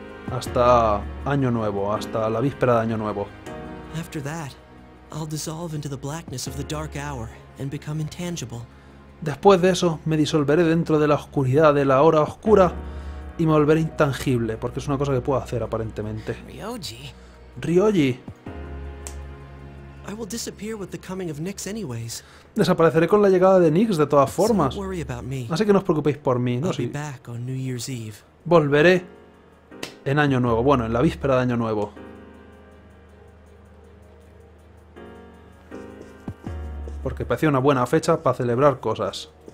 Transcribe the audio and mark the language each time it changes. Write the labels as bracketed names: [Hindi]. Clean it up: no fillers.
[Spanish] Hasta Año Nuevo, hasta la víspera de Año Nuevo. [English] After that, I'll dissolve into the blackness of the dark hour and become intangible. [Spanish] Después de eso, me disolveré dentro de la oscuridad de la hora oscura y me volveré intangible, porque es una cosa que puedo hacer aparentemente. Ryoji. Ryoji. [English] I will disappear with the coming of Nix anyways. [Spanish] Desapareceré con la llegada de Nix de todas formas. Así que no os preocupéis por mí. No, [English] I'll be back on New Year's Eve. [Spanish] Volveré en Año Nuevo. Bueno, en la víspera de Año Nuevo. Porque parecía una buena fecha para celebrar cosas.